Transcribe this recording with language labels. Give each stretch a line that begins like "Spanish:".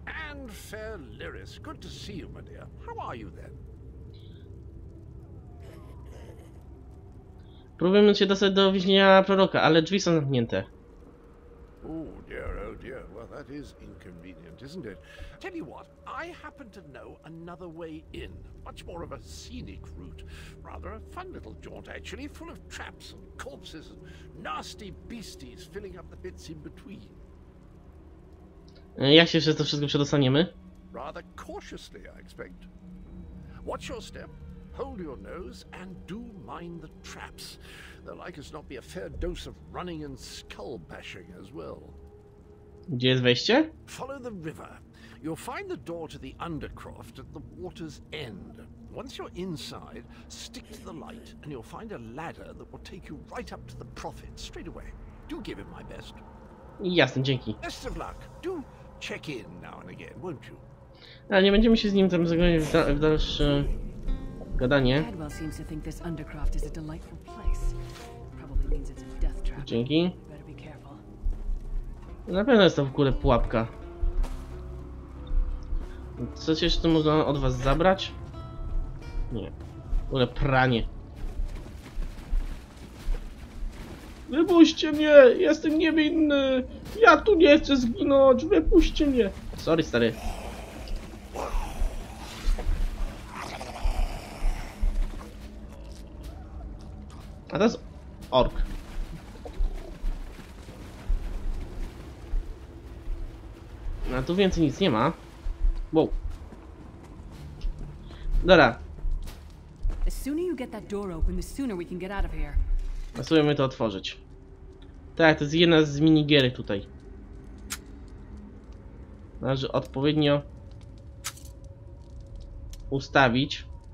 English: And fair Lyris, good to see you, my dear. How are you then?
Polish: Próbujemy się dostać do więzienia proroka, ale drzwi są zamknięte.
English: Oh dear, well that is inconvenient, isn't it? Tell you what, I happen to know another way in. Much more of a scenic route. Rather a fun little jaunt actually, full of traps and corpses and nasty beasties filling up the bits in between.
Polish: Jak się przez to wszystko przedostaniemy?
English: Rather cautiously, I expect. Watch your step, hold your nose, and do mind the traps. There'll like as not be a fair dose of running and skull bashing as well.
Polish: Gdzie jest wejście?
English: Follow the river. You'll find the door to the Undercroft at the water's end. Once you're inside, stick to the light, and you'll find a ladder that will take you right up to the Prophet straight away. Do give him my best.
Polish: Jasne, dzięki.
English: Best of luck. Do check in now and again, won't you?
Polish: A nie będziemy się z nim tam zagonić w dalsze gadanie.
English: Cadwell seems to think this Undercroft is a delightful place. Probably means it's a death trap.
Polish: Dzięki. Na pewno jest to w ogóle pułapka. Coś jeszcze można od was zabrać? Nie. W ogóle pranie. Wypuśćcie mnie! Jestem niewinny! Ja tu nie chcę zginąć! Wypuśćcie mnie! Sorry, stary. A to jest ork. No tu więcej nic nie ma. Wow. Dobra.
English: The sooner you get that door open, the sooner we can get out of here.
Polish: Spróbujemy to otworzyć. Tak, to jest jedna z minigierek tutaj. Należy odpowiednio ustawić.